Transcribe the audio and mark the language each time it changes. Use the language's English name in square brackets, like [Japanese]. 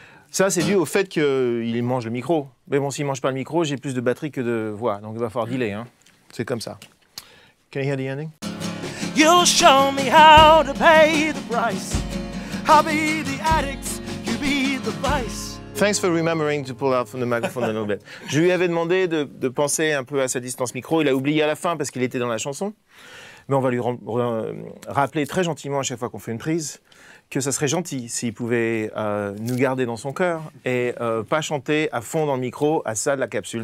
[French] Ça, c'est dû au fait qu'il mange le micro. Mais bon, s'il ne mange pas le micro, j'ai plus de batterie que de voix. Donc il va falloir delay, hein. C'est comme ça. [English] Can you hear the ending? You'll show me how to pay the price. I'll be the addict, you be the vice. Thanks for remembering to pull out from the microphone a little bit. [French] Je lui avais demandé de penser un peu à sa distance micro. Il a oublié à la fin parce qu'il était dans la chanson. Mais on va lui rappeler très gentiment à chaque fois qu'on fait une prise que ça serait gentil s'il pouvait nous garder dans son cœur et pas chanter à fond dans le micro à ça de la capsule.